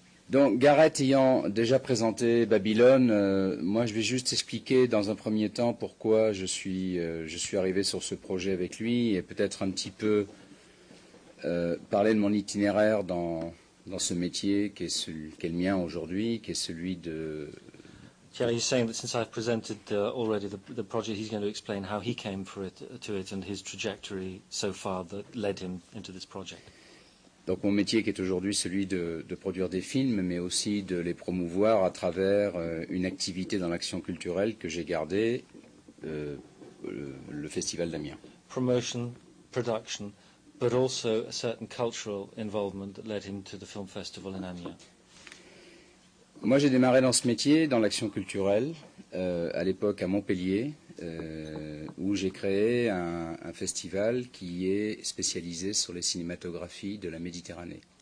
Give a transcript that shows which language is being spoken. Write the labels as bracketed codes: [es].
[fr] Donc, Gareth ayant déjà présenté Babylone, moi je vais juste expliquer dans un premier temps pourquoi je suis arrivé sur ce projet avec lui et peut-être un petit peu parler de mon itinéraire dans ce métier qui est le mien aujourd'hui, qui est celui de... [en] Thierry is saying that since I've presented already the project, he's going to explain how he came to it and his trajectory so far that led him into this project. [fr] Donc mon métier qui est aujourd'hui celui de produire des films, mais aussi de les promouvoir à travers une activité dans l'action culturelle que j'ai gardée, le Festival d'Amiens. [en] Promotion, production, but also a certain cultural involvement that led him to the film festival in Amiens. [fr] Moi, j'ai démarré dans ce métier, dans l'action culturelle, à l'époque à Montpellier, où j'ai créé un festival qui est spécialisé sur les cinématographies de la Méditerranée.